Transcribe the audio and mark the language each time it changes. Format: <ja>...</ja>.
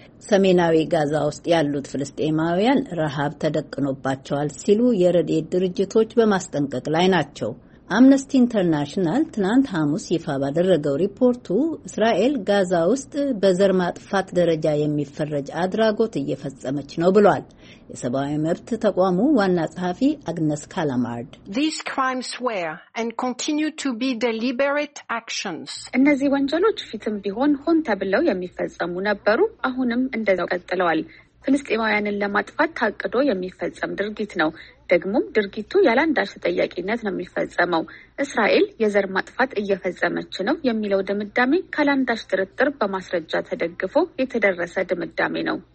<am>ሰሜናዊ ጋዛ ውስጥ ያሉት ፍልስጤማውያን ረሃብ ተደቅኖባቸዋል ሲሉ የረድኤት ድርጅቶች በማስጠንቀቅ ላይ ናቸው። አምነስቲ ኢንተርናሽናል ትናንት ሐሙስ ይፋ ባደረገው ሪፖርቱ እስራኤል ጋዛ ውስጥ በዘር ማጥፋት ደረጃ የሚፈረጅ አድራጎት እየፈጸመች ነው ብሏል። የሰብአዊ መብት ተቋሙ ዋና ጸሐፊ አግነስ ካላማርድ</am> <en>These crimes were and continue to be deliberate actions.</en> <am>እነዚህ ወንጀሎች ፊትም ቢሆን ሆን ተብለው የሚፈጸሙ ነበሩ፣ አሁንም እንደዛው ቀጥለዋል። ፍልስጤማውያንን ለማጥፋት ታቅዶ የሚፈጸም ድርጊት ነው። ደግሞም ድርጊቱ ያላንዳች ተጠያቂነት ነው የሚፈጸመው። እስራኤል የዘር ማጥፋት እየፈጸመች ነው የሚለው ድምዳሜ ካላንዳች ጥርጥር በማስረጃ ተደግፎ የተደረሰ ድምዳሜ ነው።</am>